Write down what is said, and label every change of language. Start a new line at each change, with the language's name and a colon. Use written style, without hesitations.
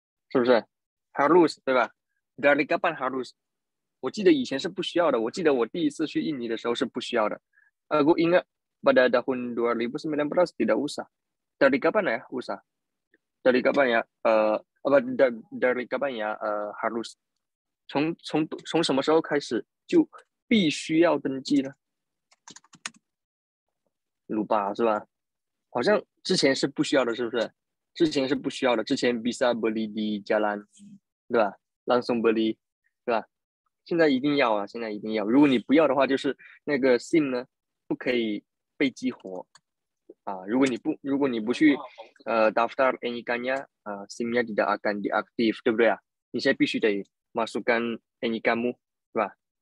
Chinese: 是不是？
Indonesian: Harus
Chinese: 对吧？
Indonesian: Dari kapan harus？
Chinese: 我记得以前是不需要的。我记得我第一次去印尼的时候是不需要的。
Indonesian: Aku ingat pada tahun 2019 tidak usah. Dari kapan ya usah? Dari kapan ya? Apa dari kapan ya?
Chinese: Harus 从什么时候开始就？必须要登记呢，鲁巴是吧？好像之前是不需要的，是不是？之前是不需要的，之前
Indonesian: bisa beli di jalan，
Chinese: 对吧？
Indonesian: langsung beli，
Chinese: 对吧？现在一定要啊！现在一定要。如果你不要的话，就是那个 SIM 呢，不可以被激活啊。如果你不去
Indonesian: daftar NIK-nya，SIM-nya tidak akan diaktif，
Chinese: 对不对啊？你现在必须得
Indonesian: masukkan NIK-mu，
Chinese: 对吧？